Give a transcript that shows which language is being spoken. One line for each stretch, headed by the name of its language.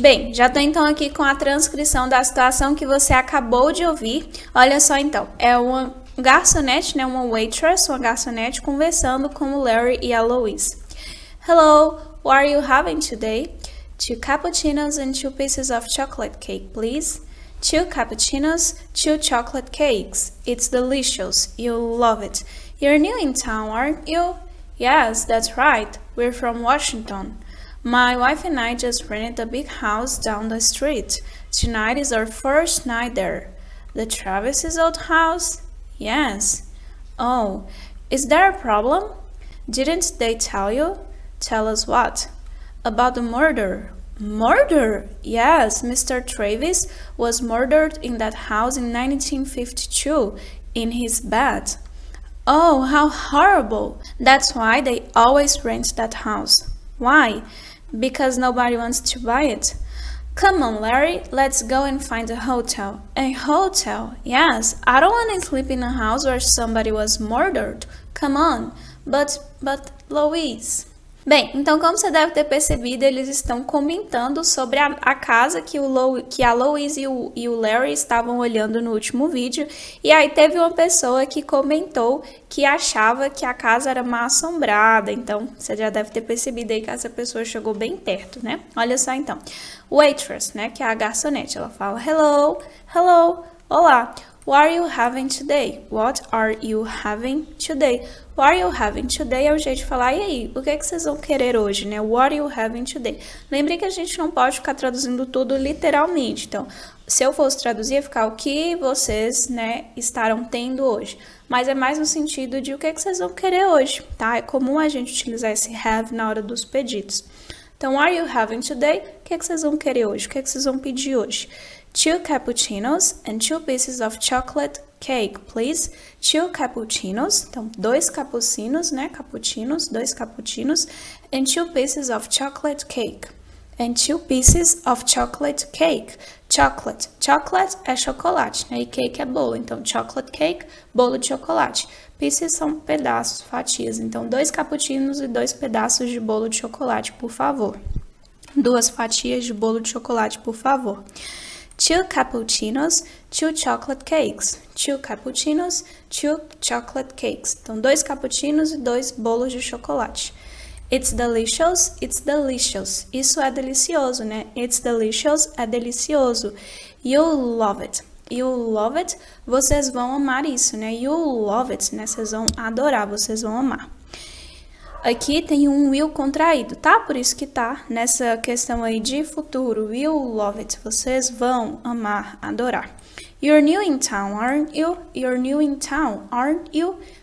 Portuguese: Bem, já estou então aqui com a transcrição da situação que você acabou de ouvir. Olha só então, é uma garçonete, né, uma waitress, uma garçonete conversando com o Larry e a Louise.
English: Hello, what are you having today? Two cappuccinos and two pieces of chocolate cake, please. Two cappuccinos, two chocolate cakes. It's delicious. You'll love it. You're new in town, aren't you? Yes, that's right. We're from Washington. My wife and I just rented a big house down the street. Tonight is our first night there. The Travis's old house? Yes. Oh, is there a problem? Didn't they tell you? Tell us what? About the murder. Murder? Yes, Mr. Travis was murdered in that house in 1952, in his bed. Oh, how horrible! That's why they always rent that house. Why? Because nobody wants to buy it. Come on, Larry, let's go and find a hotel. A hotel? Yes, I don't want to sleep in a house where somebody was murdered. Come on. But Louise.
Portuguese: Bem, então como você deve ter percebido, eles estão comentando sobre a casa que a Louise e o Larry estavam olhando no último vídeo. E aí teve uma pessoa que comentou que achava que a casa era mal assombrada. Então, você já deve ter percebido aí que essa pessoa chegou bem perto, né? Olha só então. Waitress, né? Que é a garçonete. Ela fala:
English: Hello, hello,
Portuguese: olá.
English: What are you having today? What are you having today? What are you having today?
Portuguese: É o jeito de falar, e aí, o que é que vocês vão querer hoje, né? What are you having today? Lembrem que a gente não pode ficar traduzindo tudo literalmente. Então, se eu fosse traduzir, ia ficar o que vocês, né, estarão tendo hoje. Mas é mais no sentido de o que é que vocês vão querer hoje, tá? É comum a gente utilizar esse have na hora dos pedidos. Então,
English: what are you having today?
Portuguese: O que é que vocês vão querer hoje? O que é que vocês vão pedir hoje?
English: Two cappuccinos and two pieces of chocolate cake, please. Two cappuccinos,
Portuguese: então dois cappuccinos, né? Cappuccinos, dois cappuccinos.
English: And two pieces of chocolate cake. And two pieces of chocolate cake. Chocolate.
Portuguese: Chocolate é chocolate, né? E cake é bolo. Então, chocolate cake, bolo de chocolate. Pieces são pedaços, fatias. Então, dois cappuccinos e dois pedaços de bolo de chocolate, por favor. Duas fatias de bolo de chocolate, por favor.
English: Two cappuccinos, two chocolate cakes. Two cappuccinos, two chocolate cakes.
Portuguese: Então, dois cappuccinos e dois bolos de chocolate.
English: It's delicious, it's delicious.
Portuguese: Isso é delicioso, né?
English: It's delicious,
Portuguese: é delicioso.
English: You'll love it. You'll love it.
Portuguese: Vocês vão amar isso, né?
English: You'll love it,
Portuguese: né? Vocês vão adorar, vocês vão amar. Aqui tem um will contraído, tá? Por isso que tá nessa questão aí de futuro.
English: You'll love it.
Portuguese: Vocês vão amar, adorar.
English: You're new in town, aren't you? You're new in town, aren't you?